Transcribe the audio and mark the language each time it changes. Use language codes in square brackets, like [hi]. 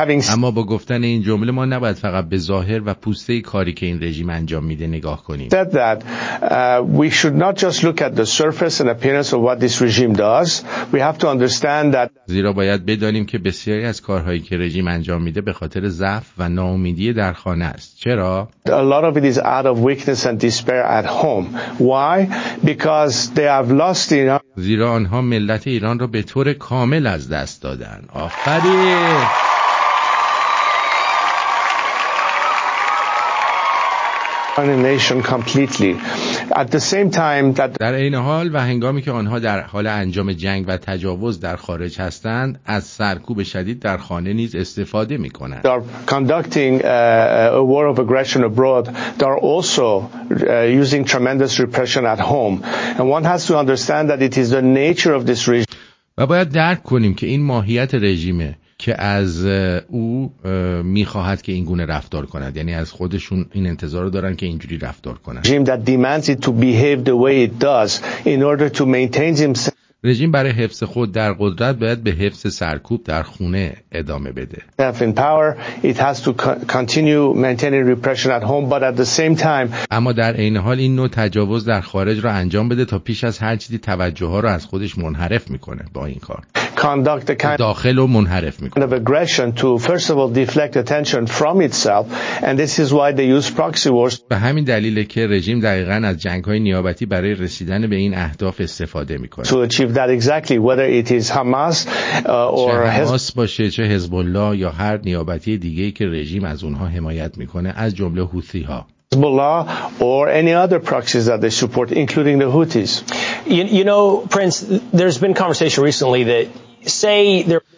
[fa] اما با گفتن این جمله ما نباید فقط به ظاهر و پوسته کاری که این رژیم انجام میده نگاه کنیم. [en] Said that we should not just look at the surface and appearance of what this regime does. We have to understand that [fa] زیرا باید بدانیم که بسیاری از کارهایی که رژیم انجام میده به خاطر ضعف و ناامیدی در خانه است. چرا؟ [en] A lot of it is out of weakness and despair at home. Why? Because they have lost in [fa] زیرا آنها ملت ایران را به طور کامل از دست دادن. آفرین. [en] On a nation completely. At the same time that [fa] در این حال و هنگامی که آنها در حال انجام جنگ و تجاوز در خارج هستند از سرکوب شدید در خانه نیز استفاده می کنند. [en] They are conducting a war of aggression abroad. They are also using tremendous repression at home. And one has to understand that it is the nature of this regime. [fa] و باید درک کنیم که این ماهیت رژیمه که از او میخواهد که این گونه رفتار کند، یعنی از خودشون این انتظار رو دارن که اینجوری رفتار کنند. [en] Regime that demands it to behave the way it does in order to maintain himself. [fa] رژیم برای حفظ خود در قدرت باید به حفظ سرکوب در خونه ادامه بده. [en] In power it has to continue maintaining repression at home but at the same time [fa] اما در این حال این نوع تجاوز در خارج را انجام بده تا پیش از هر چیزی توجه ها را از خودش منحرف میکنه با این کار. [en] Conduct the kind [fa] داخل و منحرف میکنه. [en] Of aggression to first of all deflect attention from itself and this is why they use proxy wars. [fa] به همین دلیل که رژیم دقیقاً از جنگ های نیابتی برای رسیدن به این اهداف استفاده میکنه. [en] That exactly whether it is Hamas or [fa] Hamas باشه چه حزب الله یا هر نیابتی دیگه‌ای که رژیم از اونها حمایت میکنه از جمله حوثی ها [en] Hezbollah or any other proxies that they support including the Houthis you know Prince there's been conversation recently that say there